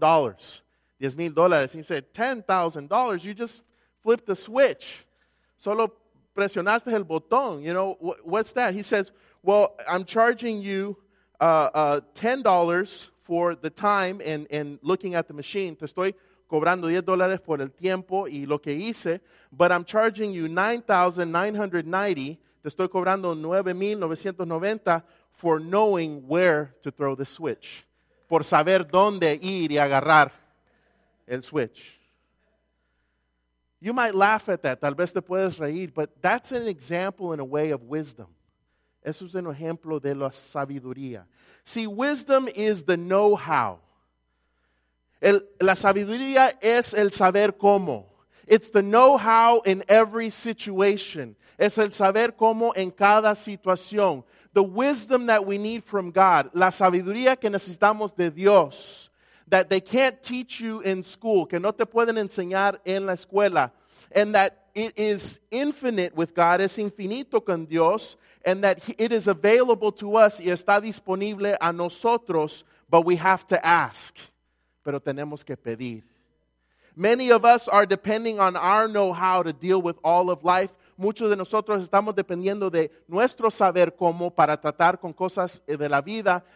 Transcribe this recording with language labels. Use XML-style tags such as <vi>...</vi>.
<en>$10,000. He said, $10,000? You just flipped the switch.</en> <es>Solo presionaste el botón.</es> <en>You know, what's that? He says, well, I'm charging you $10 for the time and looking at the machine.</en> <es>Te estoy cobrando $10 por el tiempo y lo que hice.</es> <en>But I'm charging you $9,990.</en> <es>Te estoy cobrando</es> <en>$9,990 for knowing where to throw the switch.</en> <es>Por saber dónde ir y agarrar el switch.</es> <en>You might laugh at that.</en> <es>Tal vez te puedes reír.</es> <en>But that's an example in a way of wisdom.</en> <es>Eso es un ejemplo de la sabiduría.</es> <en>See, wisdom is the know-how.</en> <es>La sabiduría es el saber cómo.</es> <en>It's the know-how in every situation.</en> <es>Es el saber cómo en cada situación.</es> <en>The wisdom that we need from God.</en> <es>La sabiduría que necesitamos de Dios.</es> <en>That they can't teach you in school.</en> <es>Que no te pueden enseñar en la escuela.</es> <en>And that it is infinite with God.</en> <es>Es infinito con Dios.</es> <en>And that it is available to us.</en> <es>Y está disponible a nosotros.</es> <en>But we have to ask.</en> <es>Pero tenemos que pedir.</es> <en>Many of us are depending on our know-how to deal with all of life.</en> <es>Muchos de nosotros estamos dependiendo de nuestro saber cómo para tratar con cosas de la vida.</es>